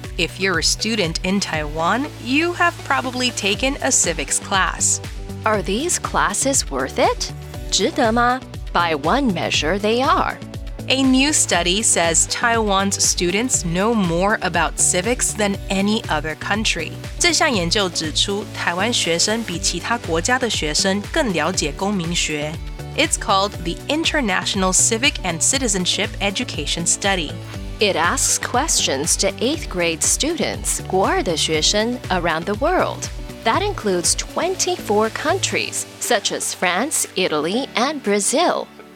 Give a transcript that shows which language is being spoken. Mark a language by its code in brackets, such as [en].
[en] If you're a student in Taiwan, you have probably taken a civics class. Are these classes worth it? [zh] 值得吗? [en] By one measure, they are. A new study says Taiwan's students know more about civics than any other country. [zh] 這項研究指出台灣學生比其他國家的學生更了解公民學。 [en] It's called the International Civic and Citizenship Education Study. It asks questions to 8th grade students, [zh] 國二的學生, [en] around the world. That includes 24 countries, such as France, Italy, and Brazil.